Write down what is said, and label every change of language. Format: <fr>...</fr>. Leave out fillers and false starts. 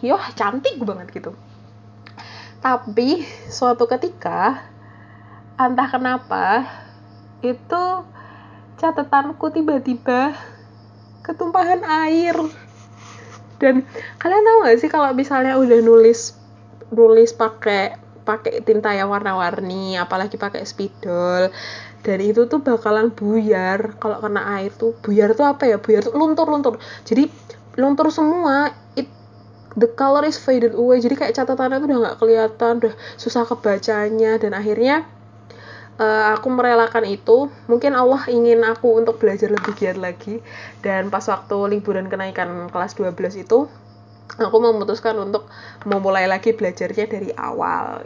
<id>Yoh, cantik banget gitu. Tapi suatu ketika, entah kenapa, itu catatanku tiba-tiba ketumpahan air. Dan kalian tahu gak sih kalau misalnya udah nulis nulis pakai pakai tinta yang warna-warni, apalagi pakai spidol, dan itu tuh bakalan buyar kalau kena air tuh. Buyar tuh apa ya? Buyar tuh luntur-luntur. Jadi luntur semua,</id> <en>the color is faded away.</en> <id>Jadi kayak catatannya tuh udah nggak kelihatan, udah susah kebacanya. Dan akhirnya aku merelakan itu. Mungkin Allah ingin aku untuk belajar lebih giat lagi. Dan pas waktu liburan kenaikan kelas 12 itu, aku memutuskan untuk memulai lagi belajarnya dari awal.</id>